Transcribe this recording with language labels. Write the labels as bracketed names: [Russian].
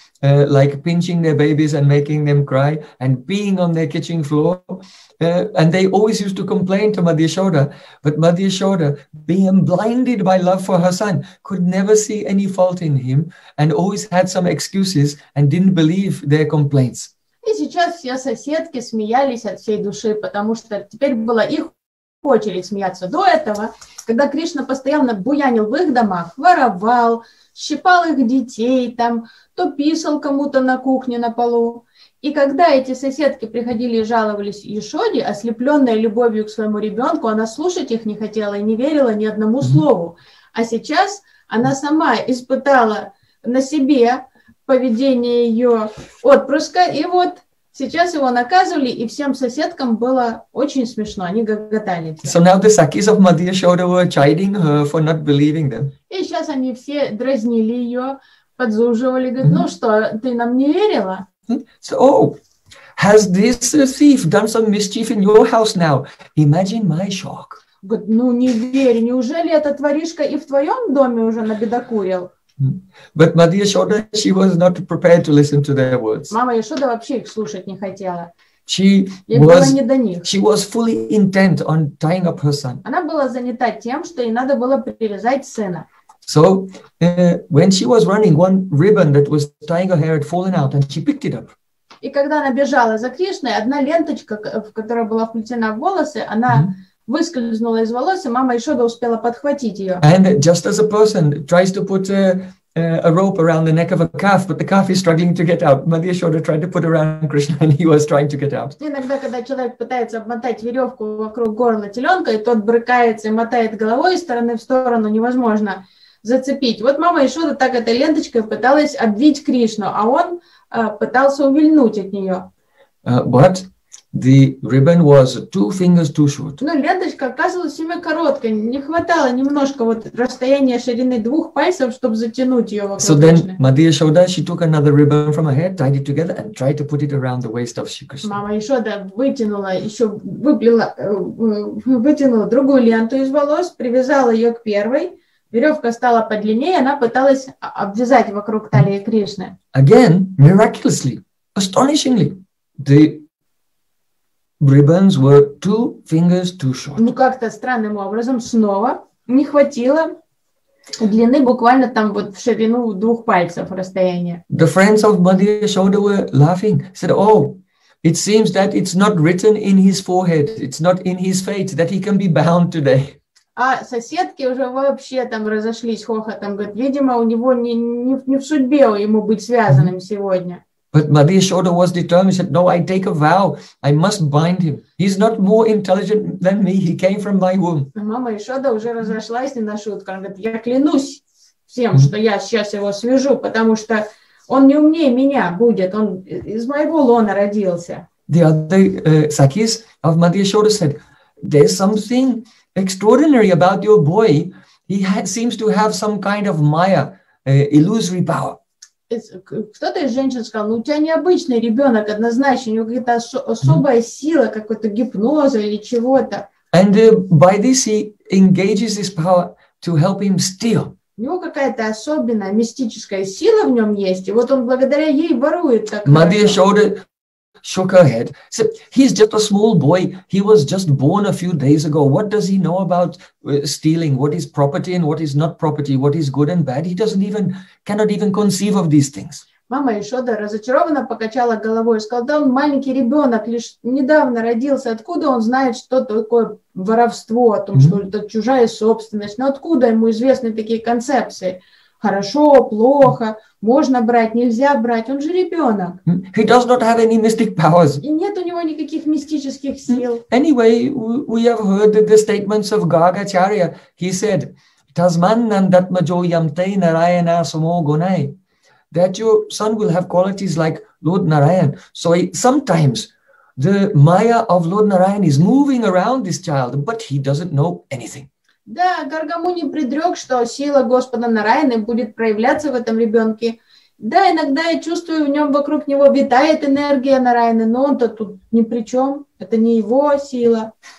[English] Like pinching their babies and making them cry and peeing on their kitchen floor. And they always used to complain to Madhya Shoda, but Madhya Shoda, being blinded by love for her son, could never see any fault in him and always had some excuses and didn't believe their complaints. [Russian] И сейчас все соседки смеялись от всей души, потому что теперь была их очередь смеяться. До этого, когда Кришна постоянно буянил в их домах, воровал, щипал их детей, там, то писал кому-то на кухне, на полу. И когда эти соседки приходили и жаловались Ешоде, ослепленная любовью к своему ребенку, она слушать их не хотела и не верила ни одному слову. А сейчас она сама испытала на себе поведение ее отпрыска. И вот сейчас его наказывали, и всем соседкам было очень смешно, они гоготали. [English] So now the sakis of Madhya Shoda were chiding her for not believing them. [Russian] И сейчас они все дразнили ее, подзуживали, говорят, ну что, ты нам не верила? [English] So, oh, has this thief done some mischief in your house now? Imagine my shock. [Russian] Говорит, ну не верь, неужели этот воришка и в твоем доме уже набедокурил? [English] But Madhya Shoda, she was not prepared to listen to their words. [Russian] Мама Ешода вообще их слушать не хотела. [English] She was [Russian] не до них. [English] She was fully intent on tying up her son. [Russian] Она была занята тем, что ей надо было привязать сына. [English] So when she was running, one ribbon that was tying her hair had fallen out, and she picked it up. [Russian] И когда она бежала за Кришной, одна ленточка, в которую была вплетена волосы, она выскользнула из волос, и мама Ешода успела подхватить ее. [English] And just as a person tries to put a rope around the neck of a calf, but the calf is struggling to get out, Madhya Ешода tried to put around Krishna, and he was trying to get out. [Russian] Иногда, когда человек пытается обмотать веревку вокруг горла теленка, и тот брыкается и мотает головой из стороны в сторону, невозможно зацепить. Вот мама Ешода так этой ленточкой пыталась обвить Кришну, а он пытался увильнуть от нее. [English] But the ribbon was two fingers too short. [Russian] Но ленточка оказалась всеми короткой. Не хватало немножко вот расстояния ширины двух пальцев, чтобы затянуть ее вокруг. [English] So then Madhya Shoda, she took another ribbon from her head, tied it together and tried to put it around the waist of Shri Krishna. [Russian] Мама Ешода вытянула, еще вытянула другую ленту из волос, привязала ее к первой. Веревка стала подлиннее, она пыталась обвязать вокруг талии Кришны. [English] Again, miraculously, astonishingly, the ribbons were two fingers too short. [Russian] Ну, как-то странным образом снова не хватило длины буквально там вот в ширину двух пальцев расстояния. [English] The friends of Madhya Shoda were laughing, said, oh, it seems that it's not written in his forehead, it's not in his fate that he can be bound today. [Russian] А соседки уже вообще там разошлись хохотом. Говорят, видимо, у него не в судьбе ему быть связанным mm-hmm. сегодня. [English] But Maria Shorter was determined. She said, no, I take a vow. I must bind him. He's not more intelligent than me. He came from my womb. [Russian] Мама Ишода уже разошлась не на шутку. Она говорит, я клянусь всем, mm-hmm. что я сейчас его свяжу, потому что он не умнее меня будет. Он из моего лона родился. [English] The other sakis of Madhya Shoda said, there's something extraordinary about your boy. He seems to have some kind of maya, illusory power. [Russian] Кто-то из женщин сказал, у тебя необычный ребенок, однозначно, у него какая-то особая сила, какой-то гипноз или чего-то. [English] And by this he engages this power to help him steal. [Russian] У него какая-то особенная мистическая сила в нем есть, и вот он благодаря ей ворует так. [English] Madhya Shoda shook her head. So he's just a small boy. He was just born a few days ago. What does he know about stealing? What is property and what is not property? What is good and bad? He doesn't even cannot even conceive of these things. [Russian] Мама Ишода разочарованно покачала головой и сказала: "Да он маленький ребенок, лишь недавно родился. Откуда он знает, что такое воровство, о том, mm-hmm. что это чужая собственность? Но откуда ему известны такие концепции? Хорошо, плохо, можно брать, нельзя брать. Он же ребенок. [English] He does not have any mystic powers. [Russian] И нет у него никаких мистических сил. [English] Anyway, we have heard the statements of Gargacharya. He said, [Sanskrit] Tasmannam datmajo yamte narayana samo gunai. [English] That your son will have qualities like Lord Narayan. So sometimes the maya of Lord Narayan is moving around this child, but he doesn't know anything. [Russian] Да, Гаргамуни предрек, что сила Господа Нараяны будет проявляться в этом ребенке. Да, иногда я чувствую, в нем вокруг него витает энергия Нараяны, но он-то тут ни при чем, это не его сила.